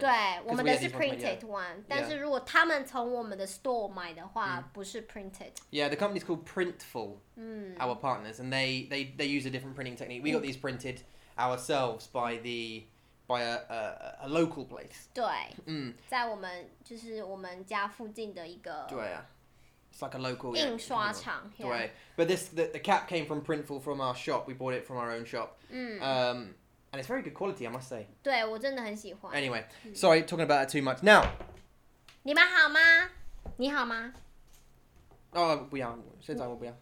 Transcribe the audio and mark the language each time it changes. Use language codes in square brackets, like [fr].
[zh] 对，我们的是 [en] printed one. [zh] 但是如果他们从我们的 store 买的话，不是 printed. [en] Yeah, the company's called Printful. Our partners, and they use a different printing technique. We got these printed ourselves by a local place. [zh] 对，在我们就是我们家附近的一个。对啊。 [en] It's like a local [zh] 印刷厂 [en] yeah. But this, the cap came from Printful from our shop. We bought it from our own shop. And it's very good quality, I must say. [zh] 对,我真的很喜欢。 [en] Anyway, sorry, talking about it too much. Now! [zh] 你们好吗?你好吗? Oh, 不要,现在我不要。